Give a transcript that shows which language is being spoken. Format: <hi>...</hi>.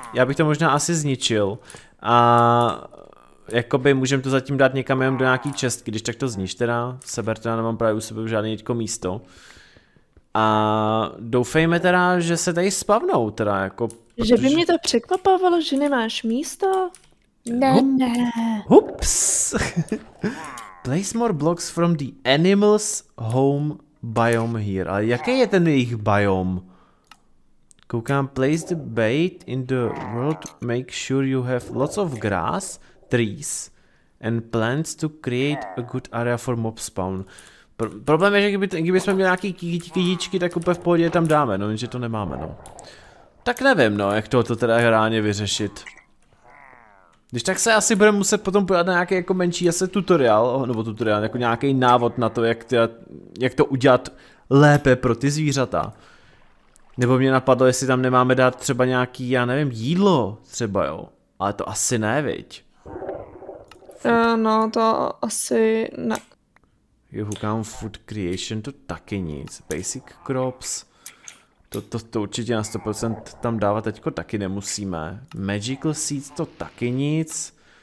<cs>Já bych to možná asi zničil a jakoby můžem to zatím dát někam jenom do nějaký čestky, když tak to zniš teda, seber teda, nemám právě u sebe žádný teďko místo. A doufejme teda, že se tady spavnou teda, jako... Protože... Že by mě to překvapovalo, že nemáš místo? Ne. Ups.</cs> <en>Place more blocks from the animals home biome here.</en> <cs>Ale jaký je ten jejich biom? Koukám,</cs> <en>place the bait in the world, make sure you have lots of grass, trees and plants to create a good area for mob spawn.</en> <cs>Problém je, že kdyby jsme měli nějaký kytičky, tak úplně v pohodě tam dáme, no, jenže to nemáme, no. Tak nevím, no, jak tohoto teda reálně vyřešit. Když tak se asi budeme muset potom podat na nějaký jako menší asi tutoriál, nebo tutoriál, jako nějaký návod na to, jak to udělat lépe pro ty zvířata. Nebo mě napadlo, jestli tam nemáme dát třeba nějaký, já nevím, jídlo třeba, jo. Ale to asi ne, viď? No, to asi ne. Hukám food creation, to taky nic. Basic crops. To určitě na 100% tam dávat teďko taky nemusíme. Magical seeds, to taky nic.</cs>